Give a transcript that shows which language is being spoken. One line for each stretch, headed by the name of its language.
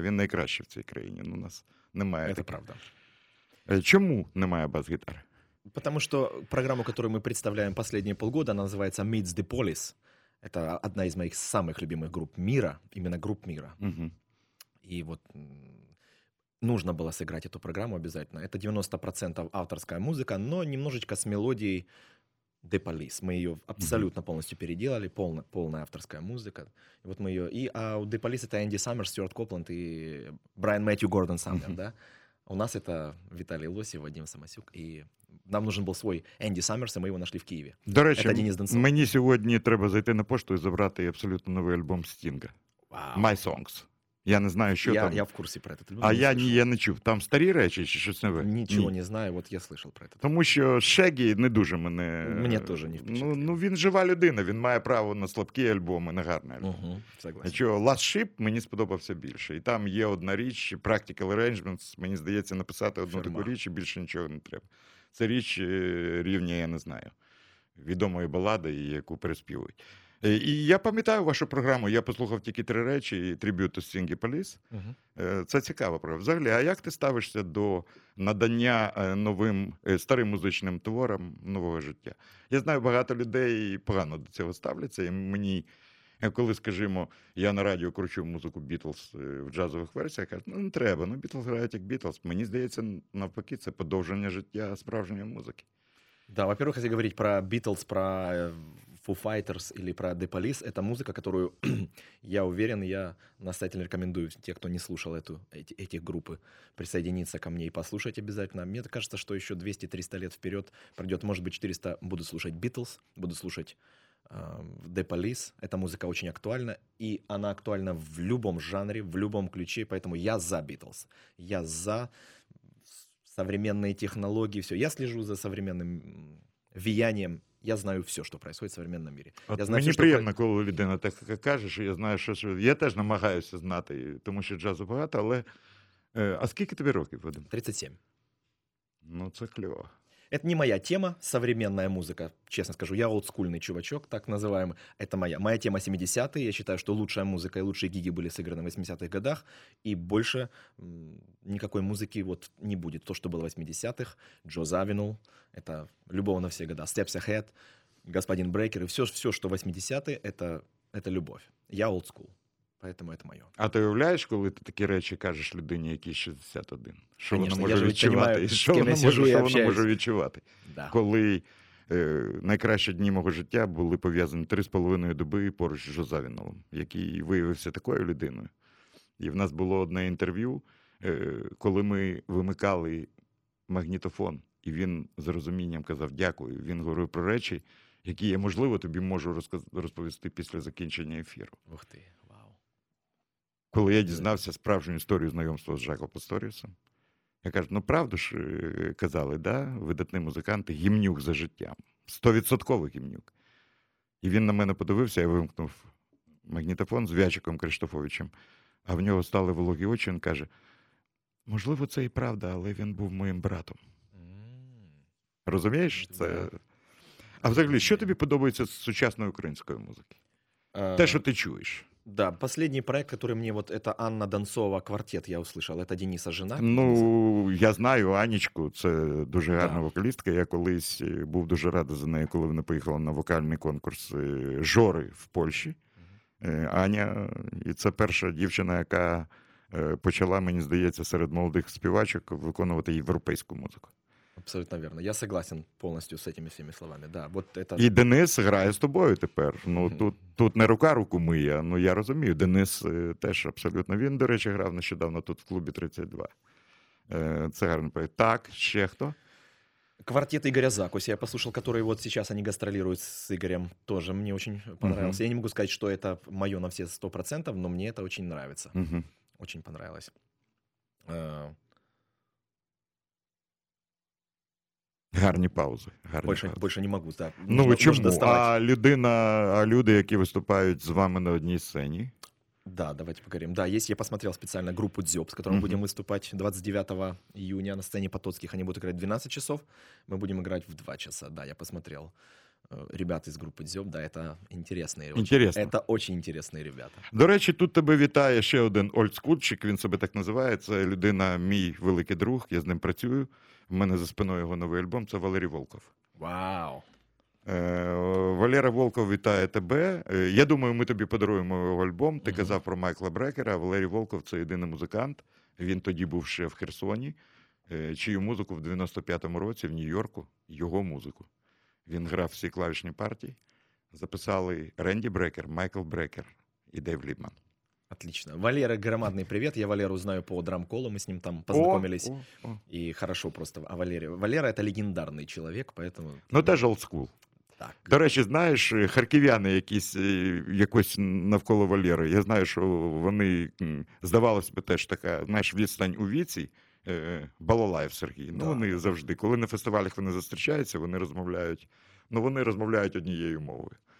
Ukrainian: А він найкращий в цій країні. Ну, у нас немає. Це правда. Чому немає бас-гітари?
Russian: Потому
Ukrainian: що програма, яку ми представляємо останні півгода, вона називається Meets the Polis. Це одна із моїх самих любимих груп міра, іменно груп міра. І от...
Russian: Нужно было сыграть эту программу обязательно. Это 90% авторская музыка, но немножечко с мелодией The Police. Мы ее абсолютно полностью переделали, полная авторская музыка. И вот мы ее... А у The Police это Энди Саммерс, Стюарт Копланд и Брайан Мэтью Гордон Саммер, да? У нас это Виталий Лосев, Вадим Самосюк. И нам нужен был свой Энди Саммерс, и мы его нашли в Киеве. До речи, это Денис Донцов. Мне сегодня треба зайти на почту и забрать абсолютно новый альбом Стинга. Вау.
Ukrainian: My Songs. Я не знаю, що я, там. Я в курсі про це. А я не чув. Там старі речі чи щось нове? Нічого не знаю, от я слышав про це. Тому що Шегі не дуже мене... Мені теж не впечатляє. Ну, він жива людина, він має право на слабкі альбоми, на гарні альбоми.
Russian: Угу, согласен.
Ukrainian: Якщо Last Ship мені сподобався більше. І там є одна річ, Practical Arrangements, мені здається, написати одну таку річ, і більше нічого не треба. Це річ рівня, я не знаю, відомої балади, яку переспівують. І я пам'ятаю вашу програму, я послухав тільки три речі, триб'ют у Стінгі Поліс. Це цікава програма. Взагалі, а як ти ставишся до надання новим, старим музичним творам нового життя? Я знаю, багато людей погано до цього ставляться, і мені, коли, скажімо, я на радіо кручу музику Бітлз в джазових версіях, кажу, ну не треба, ну Бітлз грають як Бітлз. Мені здається, навпаки, це подовження життя справжньої музики.
Russian: Да, во-первых, если говорить про Бітлз, про... Foo Fighters или про The Police, это музыка, которую, я уверен, я настоятельно рекомендую те, кто не слушал эти группы, присоединиться ко мне и послушать обязательно. Мне кажется, что еще 200-300 лет вперед пройдет, может быть, 400, буду слушать Beatles, буду слушать The Police. Эта музыка очень актуальна, и она актуальна в любом жанре, в любом ключе, поэтому я за Beatles, я за современные технологии, все. Я слежу за современным влиянием. Я знаю все, что происходит в современном мире.
Ukrainian: Мені приємно, коли людина так кажеш, я знаю, що я теж намагаюся знати, тому що джазу багато, але а скільки тобі років, Вадим? 37. Ну, це кльово.
Russian: Это не моя тема, современная музыка, честно скажу. Я олдскульный чувачок, так называемый. Это моя. Моя тема 70-е. Я считаю, что лучшая музыка и лучшие гиги были сыграны в 80-х годах. И больше никакой музыки вот не будет. То, что было в 80-х, Джо Завинул, это любовь на все года. Steps Ahead, Господин Брейкер и все, что 80-е, это любовь. Я олдскул. Поэтому это мое. А ты
Ukrainian: уявляешь,
Russian: когда ты такие речи кажешь людине, який 61? Что она может
Ukrainian: відчувати?
Russian: Что она может
Ukrainian: відчувати?
Russian: Да.
Ukrainian: Коли найкращі дні мого життя були пов'язані 3,5 доби поруч з Жозавіновим, який виявився такою людиною. І в нас було одне інтерв'ю, коли ми вимикали магнітофон, і він з розумінням казав дякую. Він говорив про речі, які я, можливо, тобі можу розповісти після закінчення ефіру. Ух ти. Коли я дізнався справжню історію знайомства з Жаком Пасторіусом, я кажу, ну правду ж казали, да, видатний музикант, гімнюк за життям, 100% гімнюк. І він на мене подивився, я вимкнув магнітофон з В'ячиком Криштофовичем, а в нього стали вологі очі, він каже, можливо, це і правда, але він був моїм братом. Розумієш? Це... А взагалі, що тобі подобається з сучасної української музики? Те, що ти чуєш.
Russian: Да, последний проект, который мне вот, это Анна Донцова, «Квартет», я услышал, это Дениса жена.
Ukrainian: Ну, я знаю Анечку, це дуже гарна вокалістка, я колись був дуже радий за нею, коли вона поїхала на вокальний конкурс «Жори» в Польщі. Аня, і це перша дівчина, яка почала, мені здається, серед молодих співачок виконувати європейську музику.
Russian: Абсолютно верно. Я согласен полностью с этими всеми словами. Да, вот это... И Денис играет с тобой теперь.
Ukrainian: Ну, тут не рука руку мия, но я розумію. Денис теж абсолютно. Він, до речі, грав нещодавно тут в клубі 32. Це гарний проект. Так, ще хто?
Russian: «Квартет» Игоря Закуся я послушал, который вот сейчас они гастролируют с Игорем. Тоже мне очень понравился. Я не могу сказать, что это мое на все 100%, но мне это очень нравится. Очень понравилось.
Ukrainian: Гарні паузи. Гарні
Russian: больше,
Ukrainian: паузи.
Russian: Больше не могу. Да.
Ukrainian: Ну, чому? А люди, які виступають з вами на одній сцені? Да, давайте поговоримо. Да, я посмотрел спеціально групу «Дзьоб», з которым будемо виступати 29 июня на сцені Потоцьких. Они будуть грати 12
Russian: часов,
Ukrainian: ми будемо грати в 2 часа.
Russian: Да, я посмотрел ребят із групи «Дзьоб». Да, это интересные. Интересно. Это очень интересные ребята.
Ukrainian: До речі, тут тебе вітає ще один ольдскульчик, він себе так називає. Це людина, мій великий друг, я з ним працюю. У мене за спиною його новий альбом, це Валерій Волков. Вау! Валера Волков вітає тебе. Я думаю, ми тобі подаруємо його альбом. Ти казав про Майкла Брекера, а Валерій Волков – це єдиний музикант. Він тоді був ще в Херсоні, чию музику в 95-му році в Нью-Йорку, його музику. Він грав всі клавішні партії. Записали Ренді Брекер, Майкл Брекер і Дейв Ліпман.
Russian: Отлично. Валера, громадный привет. Я Валеру знаю по драм-колу. Мы с ним там познакомились. И хорошо просто. А Валера это легендарный человек, поэтому... Ну, даже олдскул.
Ukrainian: Так. До речі, знаєш, харків'яни якось навколо Валери. Я знаю, що вони, здавалось би, теж така, знаєш, відстань у віці. Балалаєв Сергій.
Russian: Ну, да.
Ukrainian: Вони завжди. Коли на фестивалях вони зустрічаються, вони розмовляють. Ну, вони розмовляють однією мовою.